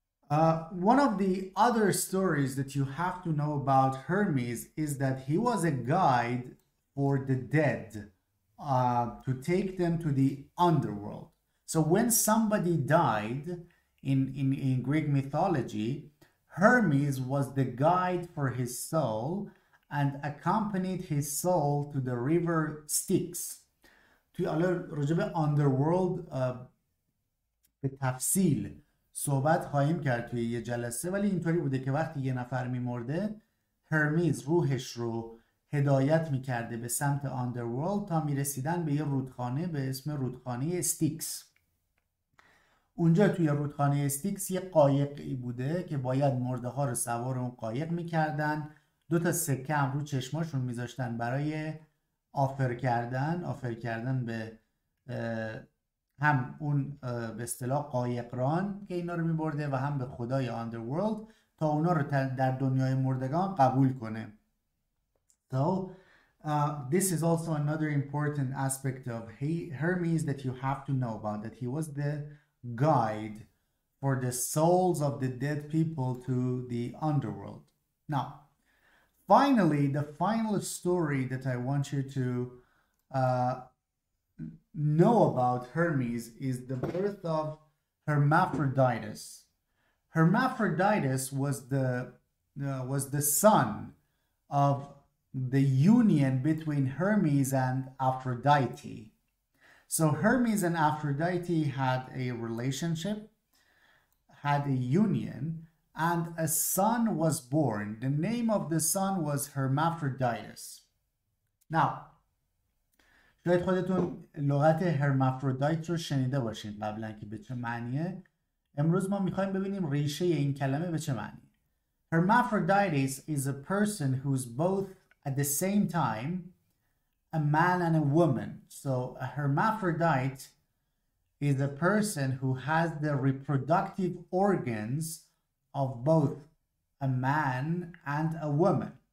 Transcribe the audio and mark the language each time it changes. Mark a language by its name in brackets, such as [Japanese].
[English] One of the other stories that you have to know about Hermes is that he was a guide for the dead to take them to the underworld. So when somebody died in Greek mythology, Hermes was the guide for his soul and accompanied his soul to the river Styx. [Persian] توی حالا راجع به underworld به تفصیل صحبت خواهیم کرد توی یه جلسه، ولی اینطوری بوده که وقتی یه نفر میمرده، هرمیز روحش رو هدایت میکرده به سمت آندرورلد تا میرسیدن به یه رودخانه به اسم رودخانه استیکس. اونجا توی رودخانه استیکس یه قایقی بوده که باید مرده ها رو سوار اون قایق میکردن، دو تا سکه هم رو چشماشون میذاشتن برای آفر کردن به هم اون به اصطلاح قایقران که اینا رو میبرده و هم به خدای آندرورلد تا اونا رو در دنیای مردگان قبول کنه. [English] So this is also another important aspect of Hermes that you have to know about, that he was the guide for the souls of the dead people to the underworld. Now, finally, the final story that I want you to know about Hermes is the birth of Hermaphroditus. Hermaphroditus was the son of the union between Hermes and Aphrodite. So Hermes and Aphrodite had a relationship, had a union, and a son was born. The name of the son was Hermaphroditus. [Persian] Now, شاید خودتون لغت هرمافرودایت رو شنیده باشین قبلا که به چه معنیه. امروز ما میخوایم ببینیم ریشه این کلمه به چه معنی. [English] Hermaphroditus is a person who's both at the same time a man and a woman. So a hermaphrodite is a person who has the reproductive organs of both a man and a woman.